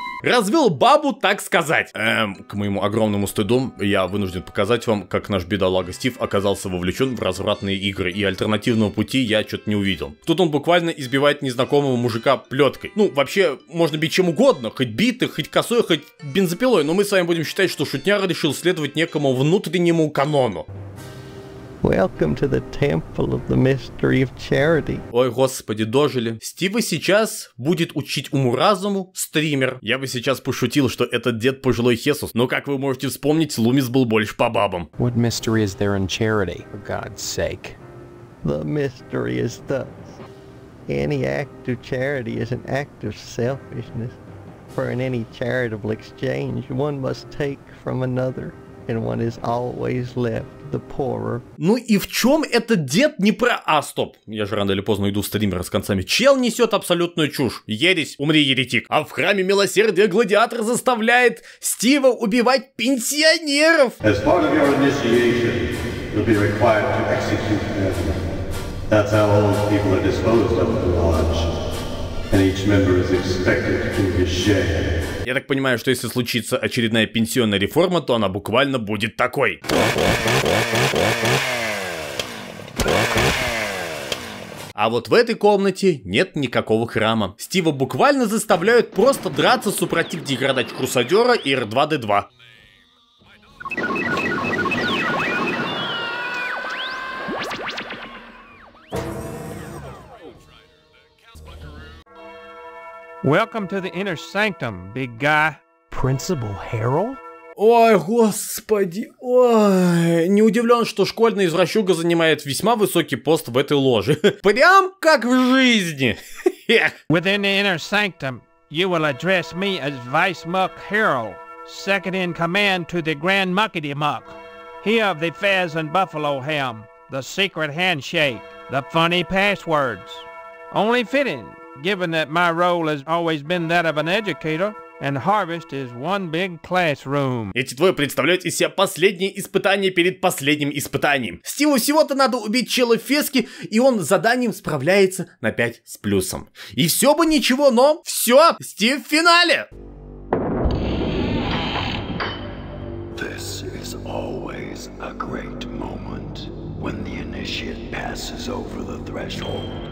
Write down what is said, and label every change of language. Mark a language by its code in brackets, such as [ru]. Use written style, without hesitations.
[ru] Развел бабу, так сказать. К моему огромному стыду, я вынужден показать вам, как наш бедолага Стив оказался вовлечен в развратные игры, и альтернативного пути я что-то не увидел. Тут он буквально избивает незнакомого мужика плеткой. Ну, вообще, можно бить чем угодно, хоть битой, хоть косой, хоть бензопилой, но мы с вами будем считать, что шутняра решил следовать некому внутреннему канону. [en] Welcome to the temple of the mystery of charity. [ru] Ой, господи, дожили. Стива сейчас будет учить уму-разуму стример. Я бы сейчас пошутил, что этот дед пожилой Хесус, но как вы можете вспомнить, Лумис был больше по бабам. [en] What mystery is there in charity, for God's sake? The mystery is thus. Any act of charity is an act of selfishness. For in any charitable exchange, one must take from another, and one is always left. The poorer. [ru] Ну и в чем этот дед не про... А, стоп, я же рано или поздно иду в стример с концами. Чел несет абсолютную чушь. Ересь, умри, еретик. А в храме милосердия гладиатор заставляет Стива убивать пенсионеров. [en] As part of your initiation, you'll be required to execute them. That's how all those people are disposed of at the lodge. And each member is expected to do his share. [ru] Я так понимаю, что если случится очередная пенсионная реформа, то она буквально будет такой. А вот в этой комнате нет никакого храма. Стива буквально заставляют просто драться супротив деградач Крусадера и R2-D2. [en] Welcome to the inner sanctum, big guy. Principal Harold? [ru] Ой, господи, ой. Не удивлен, что школьный извращуга занимает весьма высокий пост в этой ложе. Прям как в жизни. [en] Within the inner sanctum, you will address me as Vice Muck Harold, second in command to the Grand Muckety Muck. He of the Fez and Buffalo Ham, the secret handshake, the funny passwords. Only fitting. Given that my role has always been that of an educator, and Harvest is one big classroom. [ru] Эти двое представляют из себя последнее испытание перед последним испытанием. Стиву всего-то надо убить чела Фески, и он с заданием справляется на 5 с плюсом. И все бы ничего, но все, Стив в финале! [en] This is always a great moment when the initiate passes over the threshold.